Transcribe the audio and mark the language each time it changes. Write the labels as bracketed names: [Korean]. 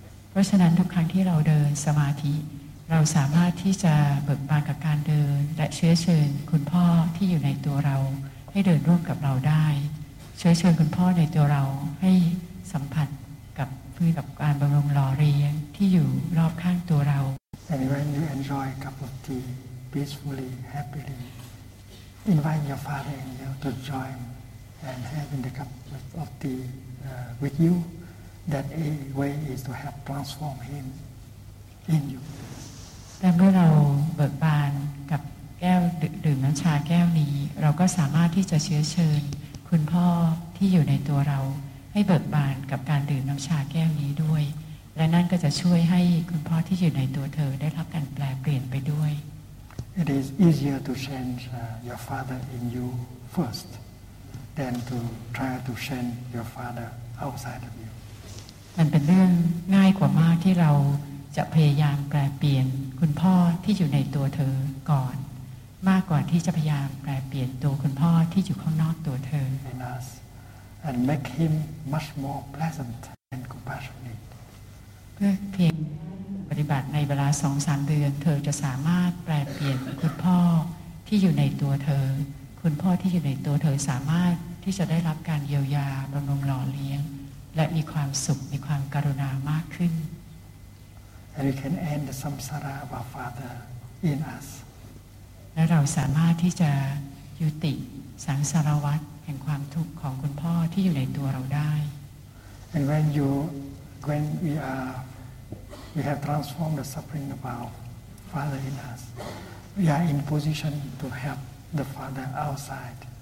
[Thai] เพราะฉะนั้นทุกครั้งที่เราเดินสมาธิเราสามารถที่จะเบิกบานกับการเดินและเชื้อเชิญคุณพ่อที่อยู่ในตัวเราให้เดินร่วมกับเราได้เชื้อเชิญคุณพ่อในตัวเราให้สัมผัสกับพื้นกับการบำรุงหล่อเลี้ยงที่อยู่รอบข้างตัวเรา [English] And when you enjoy a cup of tea peacefully, happily, invite your father and you to join. And having the cup of tea with you, that a way is to help transform him in you. [Thai] แต่เมื่อเราเบิกบานกับแก้วดื่มน้ำชาแก้วนี้เราก็สามารถที่จะเชื้อเชิญคุณพ่อที่อยู่ในตัวเราให้เบิกบานกับการดื่มน้ำชาแก้วนี้ด้วยและนั่นก็จะช่วยให้คุณพ่อที่อยู่ในตัวเธอได้รับการแปลเปลี่ยนไปด้วย [English] It is easier to change your father in you first. Than to try to change your father outside of you. [Thai] มันเป็นเรื่องง่ายกว่ามากที่เราจะพยายามแปรเปลี่ยนคุณพ่อที่อยู่ในตัวเธอก่อนมากกว่าที่จะพยายามแปรเปลี่ยนตัวคุณพ่อที่อยู่ข้างนอกตัวเธอ [English] in us and make him much more pleasant and compassionate [Thai] เพียงปฏิบัติในเวลา 2-3 เดือนเธอจะสามารถแปรเปลี่ยนคุณพ่อที่อยู่ในตัวเธอคุณพ่อที่อยู่ในตัวเธอสามารถที่จะได้รับการเยียวยาบำรุงหล่อเลี้ยงและมีความสุขมีความกรุณามากขึ้น [English] And we can end the samsara of our father in us [Thai] และเราสามารถที่จะยุติสังสารวัฏแห่งความทุกข์ของคุณพ่อที่อยู่ในตัวเราได้ [English] And when you when we are we have transformed the suffering of our father in us we are in position to help the father outside